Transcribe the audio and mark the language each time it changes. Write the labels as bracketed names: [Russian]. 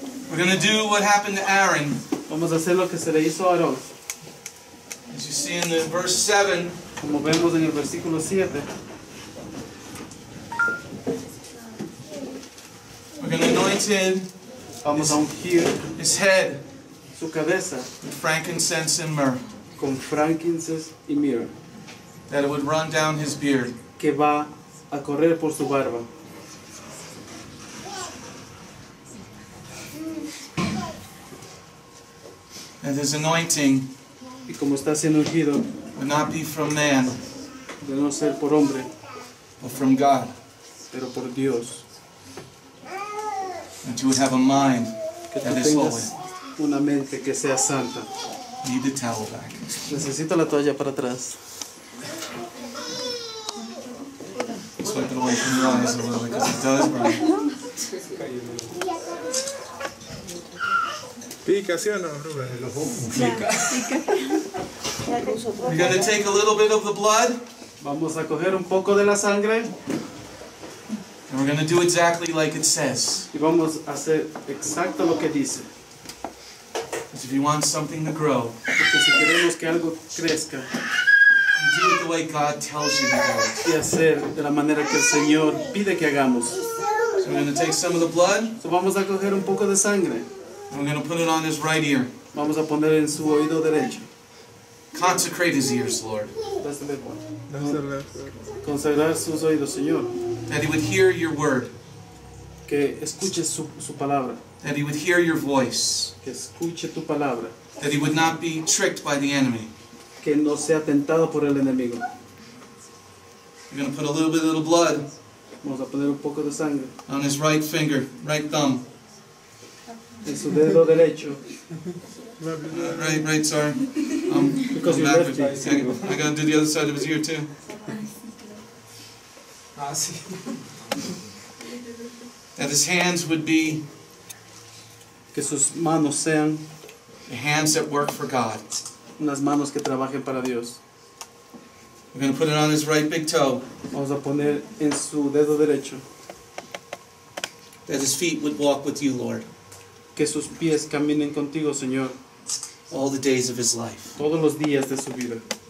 [English] We're going to do what happened to Aaron. [Spanish] Vamos a hacer lo que se le hizo a Aarón. [English] As you see in the verse 7. [Spanish] Como vemos en el versículo 7. [English] We're going to anoint him. [Spanish] Vamos a ungir [English] his head. [Spanish] Su cabeza. [English] With frankincense and myrrh. [Spanish] Con frankincense y myrrh. [English] That it would run down his beard. [Spanish] Que va a correr por su barba. [English] And his anointing. [Spanish] Y como está siendo ungido. [English] Would not be from man. [Spanish] De no ser por hombre. [English] But from God. [Spanish] Pero por Dios. [English] That you would have a mind [Spanish] que [English] that is holy. [Spanish] Una mente que sea santa. [English] Need the towel back. [Spanish] Necesito la toalla para atrás. [English] Wipe it away from your eyes a little because it does burn. [Spanish] Pica, sí o no, Ruben? Pica. [English] We're going to take a little bit of the blood. [Spanish] Vamos a coger un poco de la sangre. [English] And we're going to do exactly like it says. [Spanish] Y vamos a hacer exacto lo que dice. [English] Because if you want something to grow, [Spanish] porque si queremos que algo crezca, [English] do it the way God tells you to do it. [Spanish] Y hacer de la manera que el Señor pide que hagamos. [English] So we're going to take some of the blood. [Spanish] So vamos a coger un poco de sangre. [English] And we're going to put it on his right ear. [Spanish] Vamos a poner en su oído derecho. [English] Consecrate his ears, Lord. That's the left one. That's the left one. [Spanish] Consagrar sus oídos, Señor. [English] That he would hear your word. [Spanish] Que escuche su palabra. [English] That he would hear your voice. [Spanish] Que escuche tu palabra. [English] That he would not be tricked by the enemy. [Spanish] Que no sea tentado por el enemigo. [English] You're going to put a little bit of the blood. [Spanish] Vamos a poner un poco de sangre. [English] On his right finger, right thumb. [Spanish] En su dedo derecho. [English] Right, sorry. Because you're lefty. I got to do the other side of his ear too. [Spanish] Ah, sí. [English] That his hands would be. [Spanish] Que sus manos sean. [English] The hands that work for God. [Spanish] Unas manos que trabajen para Dios. [English] We're going to put it on his right big toe. [Spanish] Vamos a poner en su dedo derecho. [English] That his feet would walk with you, Lord. [Spanish] Que sus pies caminen contigo, Señor. [English] All the days of his life. [Spanish] Todos los días de su vida.